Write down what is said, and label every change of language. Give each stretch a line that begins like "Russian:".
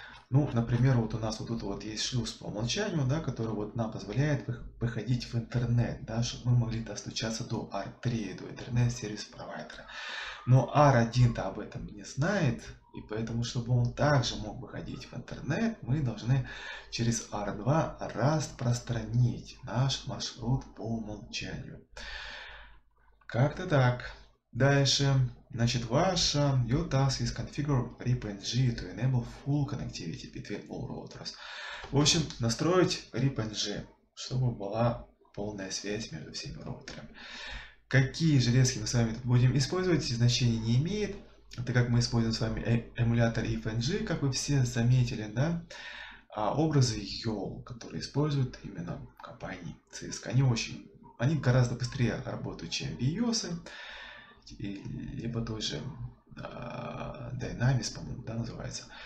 Russian: Ну, например, вот у нас вот тут вот есть шлюз по умолчанию, да, который вот нам позволяет выходить в интернет, да, чтобы мы могли достучаться до R3, до интернет-сервис-провайдера. Но R1-то об этом не знает, И поэтому, чтобы он также мог выходить в интернет, мы должны через R2 распространить наш маршрут по умолчанию. Как-то так. Дальше. Значит, ваша
English: your task is configure RIPNG to enable full connectivity between all routers.
Russian: В общем, настроить RIPNG, чтобы была полная связь между всеми роутерами. Какие железки мы с вами будем использовать, значения не имеет. Так как мы используем с вами эмулятор FNG, как вы все заметили, да? А образы YOL, которые используют именно компании CISC, они очень, они гораздо быстрее работают, чем BIOS, либо тот же Dynamics, по-моему, да, называется.